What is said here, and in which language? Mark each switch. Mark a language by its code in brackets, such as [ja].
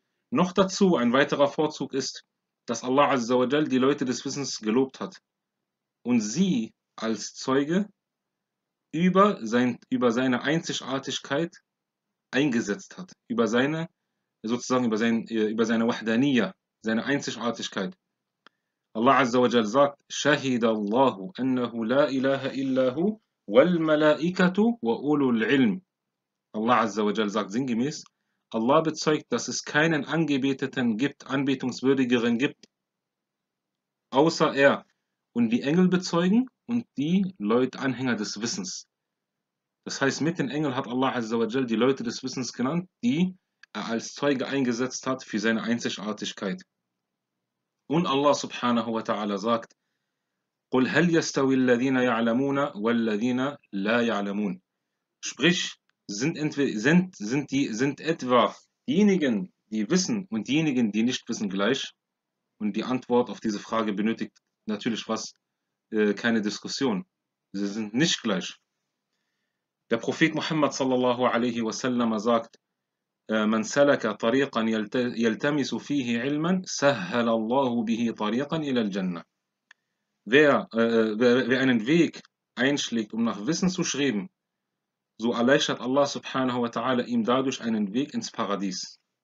[de] Noch dazu, ein weiterer Vorzug ist, dass Allah azza wa jal die Leute des Wissens gelobt hat und sie als Zeuge über seine Einzigartigkeit eingesetzt hat, über seine Wahdaniyya, seine Einzigartigkeit. [ar] Allah azza wa jal [de] sagt, [ar] شَهِدَ اللَّهُ أَنَّهُ لَا إِلَهَ إِلَّهُ وَالْمَلَائِكَةُ وَأُولُ الْعِلْمِ. [de] Allah Azza wa Jal sagt sinngemäß, Allah bezeugt, dass es keinen Angebeteten gibt, Anbetungswürdigeren gibt, außer er. Und die Engel bezeugen und die Leute, Anhänger des Wissens. Das heißt, mit den Engeln hat Allah Azzawajal die Leute des Wissens genannt, die er als Zeuge eingesetzt hat für seine Einzigartigkeit. Und [ar] Allah subhanahu wa ta'ala [de] sagt: [ar] قُلْ هَلْ يَسْتَوِي الَّذِينَ يَعْلَمُونَ وَالَّذِينَ لَا يَعْلَمُونَ. [de] Sprich, sind etwa diejenigen, die wissen und diejenigen, die nicht wissen, gleich? Und die Antwort auf diese Frage benötigt natürlich was? Keine Diskussion. Sie sind nicht gleich. Der Prophet Muhammad sallallahu alaihi wasallam sagt: [ar] Man salaka [de] wer einen Weg einschlägt, um nach Wissen zu streben, so erleichtert Allah subhanahu wa ta'ala ihm dadurch einen Weg ins Paradies.